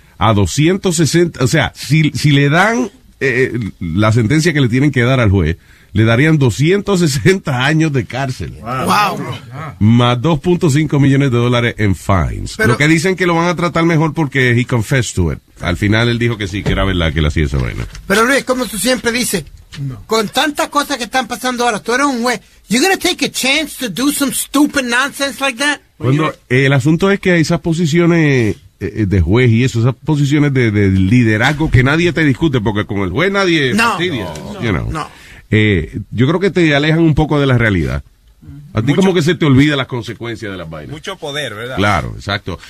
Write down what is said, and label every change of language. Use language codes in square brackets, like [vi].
[es] A 260, o sea, si le dan la sentencia que le tienen que dar al juez, le darían 260 años de cárcel. [en] Wow. [es] Más $2.5 millones en fines. Pero, lo que dicen que lo van a tratar mejor porque he confessed to it. Al final él dijo que sí, que era verdad que le hacía esa vaina. Pero Luis, como tú siempre dices, no. Con tantas cosas que están pasando ahora, tú eres un juez. [en] You gonna take a chance to do some stupid nonsense like that? [es] Cuando, el asunto es que esas posiciones... de juez y eso, esas posiciones de liderazgo que nadie te discute porque con el juez nadie no, fastidia, [en] no, you know. [es] No. Yo creo que te alejan un poco de la realidad. A ti mucho, como que se te olvida las consecuencias de las vainas. Mucho poder, ¿verdad? Claro, exacto.